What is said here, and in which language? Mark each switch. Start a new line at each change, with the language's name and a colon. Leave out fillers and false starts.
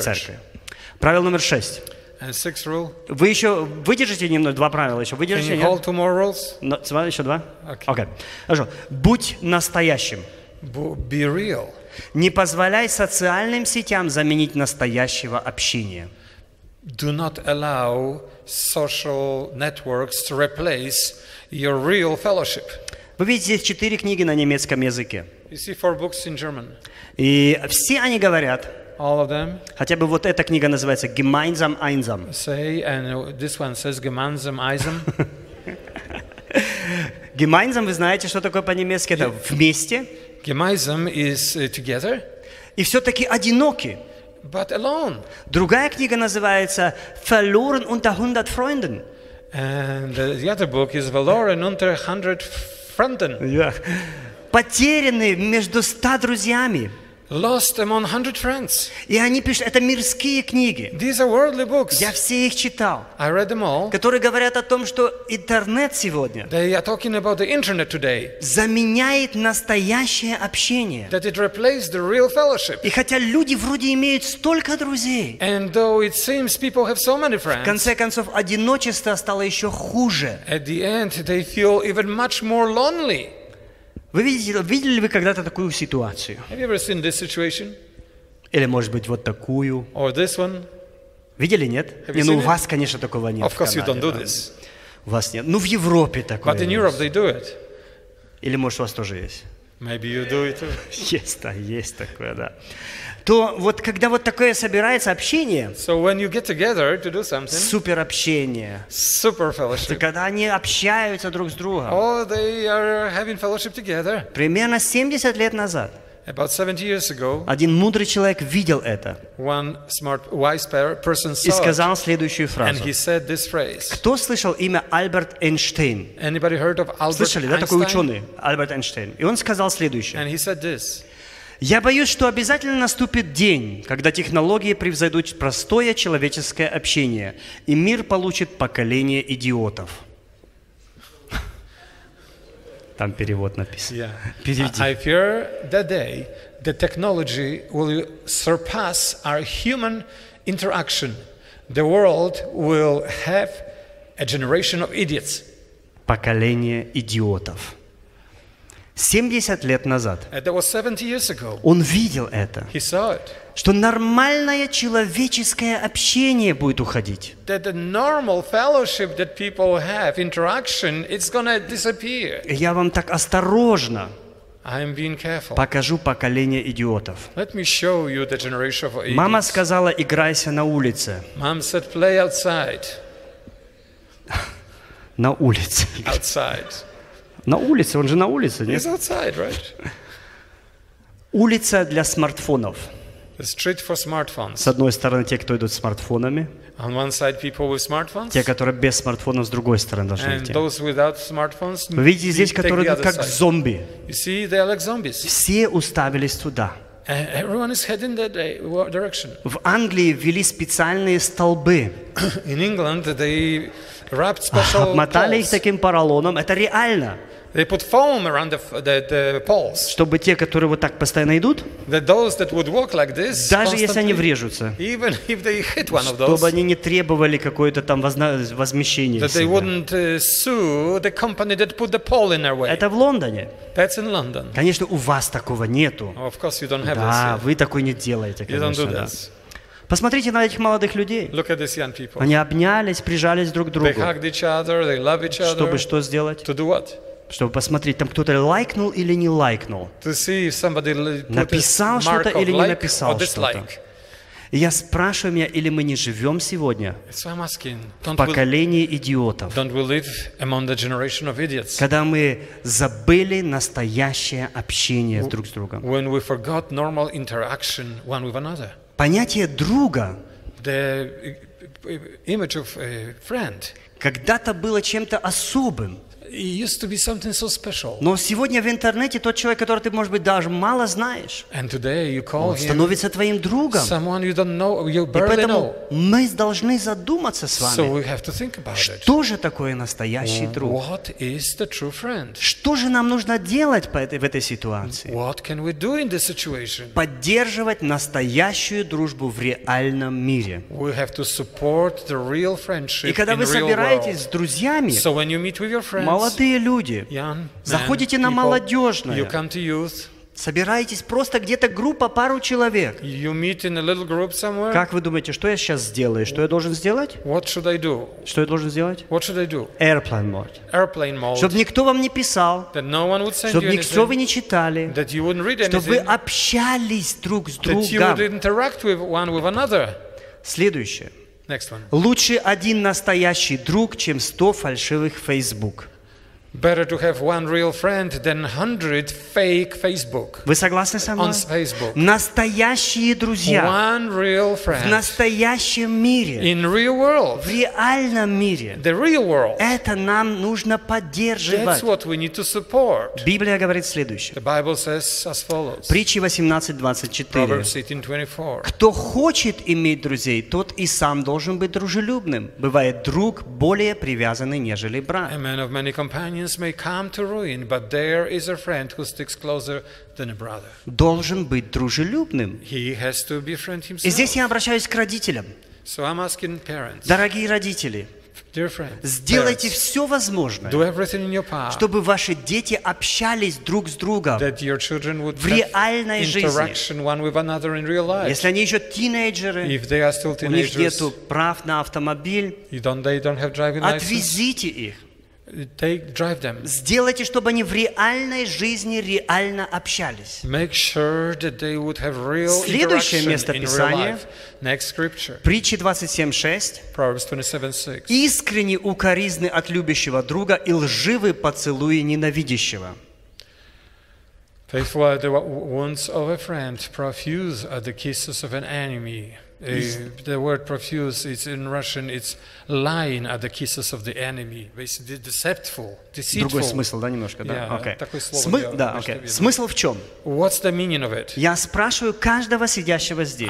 Russian: В церкви. Правило номер 6.
English: And sixth rule.
Russian: Вы еще выдержите немного, 2 правила еще выдержите?
English: Can you hold 2 more rules? No,
Russian: еще 2?
English: Okay. Okay.
Russian: Хорошо. Будь настоящим.
English: Be real.
Russian: Не позволяй социальным сетям заменить настоящего общения.
English: Do not allow social networks to replace your real fellowship.
Russian: Вы видите, здесь четыре книги на немецком языке.
English: You see four books in German.
Russian: И все они говорят.
English: All of them.
Russian: Хотя бы вот эта книга называется «Gemeinsam einsam».
English: Say, and this one says «Gemeinsam einsam».
Russian: Gemeinsam, вы знаете, что такое по-немецки? Это вместе.
English: Gemeinsam is together.
Russian: И все-таки одиноки.
English: But alone.
Russian: Другая книга называется «Verloren unter 100 Freunden».
English: And the other book is «Verloren unter 100 Freunden». Yeah.
Russian: Потерянные между 100 друзьями.
English: Lost among 100 friends.
Russian: И они пишут, это мирские книги.
English: These are worldly books.
Russian: Я все их читал.
English: I read them all.
Russian: Которые говорят о том, что интернет сегодня.
English: They are talking about the internet today.
Russian: Заменяет настоящее общение.
English: That it replaced the real fellowship.
Russian: И хотя люди вроде имеют столько друзей.
English: And though it seems people have so many friends.
Russian: В конце концов, одиночество стало еще хуже.
English: At the end, they feel even much more lonely.
Russian: Вы видите, видели ли вы когда-то такую ситуацию?
English: Have you ever seen this situation?
Russian: Или, может быть, вот такую?
English: Or this one?
Russian: Видели, нет? Не, ну, у вас, конечно, такого нет.
English: Of course, you don't do this.
Russian: У вас нет. Ну, в Европе такое.
English: But in Europe they do it.
Russian: Или, может, у вас тоже есть?
English: Maybe you do it too.
Russian: Есть, да, есть такое, да. То вот когда вот такое собирается общение,
English: so when you get together to do something,
Russian: супер общение,
English: super fellowship,
Russian: то когда они общаются друг с другом,
English: oh, they are having fellowship together.
Russian: Примерно 70 лет назад,
English: about 70 years ago,
Russian: один мудрый человек видел это,
English: one smart, wise person saw
Russian: и сказал следующую фразу.
English: And he said this phrase.
Russian: Кто слышал имя Альберт Эйнштейн?
English: Anybody heard of Albert Einstein?
Russian: Слышали, да, такой ученый, Альберт Эйнштейн. И он сказал следующее.
English: And he said this.
Russian: Я боюсь, что обязательно наступит день, когда технологии превзойдут простое человеческое общение, и мир получит поколение идиотов. Там перевод написан.
English: Yeah.
Russian: Перейди.
English: I fear the day the technology will surpass our human interaction. The world will have a generation of idiots.
Russian: Поколение идиотов. 70 лет назад.
English: And that was 70 years ago.
Russian: Он видел это.
English: He saw it.
Russian: Что нормальное человеческое общение будет уходить.
English: That the normal fellowship that people have, interaction, it's gonna disappear.
Russian: Я вам так осторожно.
English: I'm being careful.
Russian: Покажу поколение идиотов.
English: Let me show you the generation of idiots.
Russian: Мама сказала, играйся на улице.
English: Mom said, play outside.
Russian: На улице.
English: Outside.
Russian: На улице, он же на улице, нет?
English: He's outside, right?
Russian: Улица для смартфонов.
English: The street for smartphones.
Russian: С одной стороны, те, кто идут с смартфонами.
English: On one side, people with smartphones.
Russian: Те, которые без смартфонов, с другой стороны должны
English: And
Russian: идти.
English: And those without smartphones.
Russian: Вы видите здесь, которые идут как зомби.
English: You see, they are like zombies.
Russian: Все уставились туда.
English: Everyone is heading that direction.
Russian: В Англии ввели специальные столбы.
English: In England, they wrapped special
Russian: обмотали их таким поролоном. Это реально.
English: They put foam around the poles.
Russian: Чтобы те, которые вот так постоянно идут,
English: that those that would walk like this,
Russian: даже если они врежутся,
English: even if they hit one of those,
Russian: чтобы они не требовали какое-то там возмещение.
English: That they wouldn't sue the company that put the pole in their way.
Russian: Это в Лондоне.
English: That's in London.
Russian: Конечно, у вас такого нету.
English: Of course you don't have this.
Russian: Да, вы такой не делаете, конечно.
English: You don't do this.
Russian: Посмотрите на этих молодых людей.
English: Look at these young people.
Russian: Они обнялись, прижались друг к другу.
English: They hugged each other, they love each other.
Russian: Чтобы что сделать?
English: To do what?
Russian: Чтобы посмотреть, там кто-то лайкнул или не лайкнул.
English: To see if somebody put
Russian: написал
English: a mark
Russian: что-то
English: of
Russian: или
English: like
Russian: не написал
English: or dislike.
Russian: Что-то. И я спрашиваю меня, или мы не живем сегодня
English: so I'm asking, don't
Russian: в поколении идиотов.
English: Don't we live among the generation of idiots?
Russian: Когда мы забыли настоящее общение друг с другом.
English: When we forgot normal interaction one with another.
Russian: Понятие друга
English: the image of a friend,
Russian: когда-то было чем-то особым.
English: It used to be something so special.
Russian: Но сегодня в интернете тот человек, которого ты, может быть, даже мало знаешь,
English: and today you call
Russian: он становится твоим другом.
English: Someone you don't know, you barely know.
Russian: И поэтому мы должны задуматься с вами,
English: so we have to think about it.
Russian: Что же такое настоящий друг?
English: What is the true friend?
Russian: Что же нам нужно делать в этой ситуации?
English: What can we do in this situation?
Russian: Поддерживать настоящую дружбу в реальном мире.
English: We have to support the real friendship.
Russian: И когда вы собираетесь
English: world.
Russian: С друзьями,
English: so when you meet with your friends,
Russian: молодые люди,
English: young
Russian: заходите
English: man,
Russian: на молодежное,
English: you come to youth,
Russian: Собираетесь просто где-то группа, пару человек.
English: You meet in a little group somewhere.
Russian: Как вы думаете, что я сейчас сделаю? Что я должен сделать?
English: What should I do?
Russian: Что я должен сделать?
English: What should I do? Airplane mode. Airplane mode.
Russian: Чтобы никто вам не писал.
English: That no one would send
Russian: чтобы
English: you
Russian: никто вы не читали.
English: That you wouldn't read anything.
Russian: Чтобы вы общались друг с другом.
English: That you would interact with one with another.
Russian: Следующее.
English: Next one.
Russian: Лучше один настоящий друг, чем 100 фальшивых Facebook.
English: Better to have one real friend than 100 fake Facebook.
Russian: Вы согласны со мной?
English: On Facebook.
Russian: Настоящие друзья.
English: One real friend.
Russian: В настоящем мире.
English: In real world.
Russian: В реальном мире.
English: The real world.
Russian: Это нам нужно поддерживать.
English: That's what we need to support.
Russian: Библия говорит следующее.
English: The Bible says as follows.
Russian: Притчи 18:24.
English: Proverbs 18:24.
Russian: Кто хочет иметь друзей, тот и сам должен быть дружелюбным. Бывает друг более привязанный, нежели брат.
English: A man of many companions. Companions may come to ruin, but there is a friend who sticks closer than a brother.
Russian: Должен быть дружелюбным.
English: He has to befriend himself.
Russian: И здесь я обращаюсь к родителям.
English: So I'm asking parents.
Russian: Дорогие родители.
English: Dear friends,
Russian: сделайте все возможное,
English: do everything in your power,
Russian: чтобы ваши дети общались друг с другом
English: that your children would
Russian: в реальной
English: have interaction
Russian: жизни.
English: One with another in real life.
Russian: Если они еще тинейджеры,
English: if they are still teenagers,
Russian: у них нету прав на автомобиль,
English: they don't have driving license,
Russian: отвезите их.
English: Take, drive them.
Russian: Сделайте, чтобы они в реальной жизни реально общались.
English: Make sure that they would have real
Russian: следующее место Писания.
English: Next scripture.
Russian: Притчи 27:6.
English: Proverbs 27:6.
Russian: Искренне укоризны от любящего друга и лживы поцелуи ненавидящего.
English: Faithful are the wounds of a friend, profuse are the kisses of an enemy. The word profuse is in Russian, it's lying at the kisses of the enemy. Basically, deceptful, deceitful.
Russian: Другой смысл, да, немножко, да?
English: Yeah, okay.
Russian: Такое слово.
English: Okay.
Russian: Смысл в чем?
English: What's the meaning of it?
Russian: Я спрашиваю каждого сидящего здесь.